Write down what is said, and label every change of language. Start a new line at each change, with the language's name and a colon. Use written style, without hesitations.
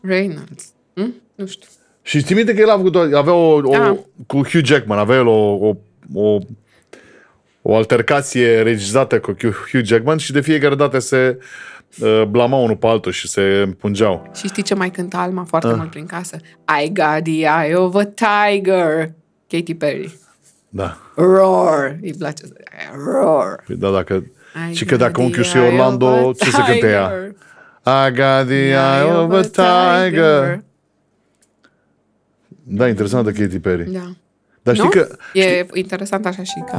Romanian: Reynolds. Hm? Nu știu. Și ți-mi minte că el a avut, avea o, o cu Hugh Jackman, avea el o, o, o, o altercație regizată cu Hugh Jackman și de fiecare dată se blamau unul pe altul și se împungeau. Și știi ce mai cânta Alma foarte mult prin casă?
English: I got the eye of a tiger, Katy Perry.
Romanian: Da. Roar, îi place să zic, roar. Păi da, dacă, și că dacă unchiul și Orlando, ce se cânte ea?
English: I got the eye of a tiger.
Romanian: Da, interesantă Katy Perry. Da. Dar știi că, e interesant așa și că...